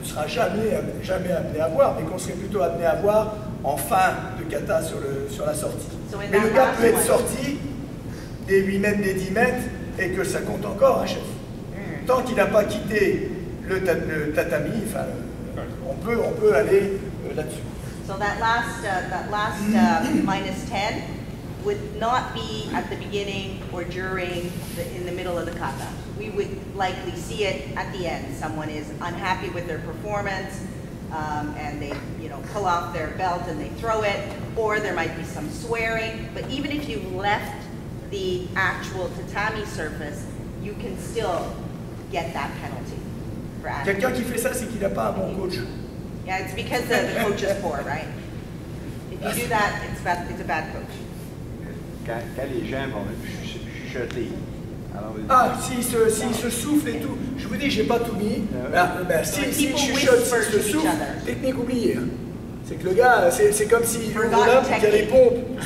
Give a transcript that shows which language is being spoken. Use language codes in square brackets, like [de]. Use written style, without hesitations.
[fr] ne sera jamais, jamais amené à voir, mais qu'on serait plutôt amené à voir en fin de kata sur la sortie. [en] So [fr] mais le gars peut être sorti des 8 mètres, des 10 mètres, et que ça compte encore, un chef. Tant qu'il n'a pas quitté le tatami, enfin, on peut aller là-dessus. [en] So that last minus 10 would not be at the beginning or during the, in the middle of the kata. We would likely see it at the end. Someone is unhappy with their performance and they, you know, pull off their belt and they throw it, or there might be some swearing. But even if you've left the actual tatami surface, you can still get that penalty. [fr] Quelqu'un qui fait ça, c'est qu'il n'a pas un bon coach. [en] Yeah, it's because the coach is poor, right? If you do that, it's a bad coach. [fr] Quand les gens vont chuchoter. Ah, s'ils se soufflent et tout. Je vous dis, j'ai pas tout mis. S'ils chuchotent, s'ils se soufflent, technique oubliée. C'est que le gars, c'est comme si il ouvre là, il y a les pompes.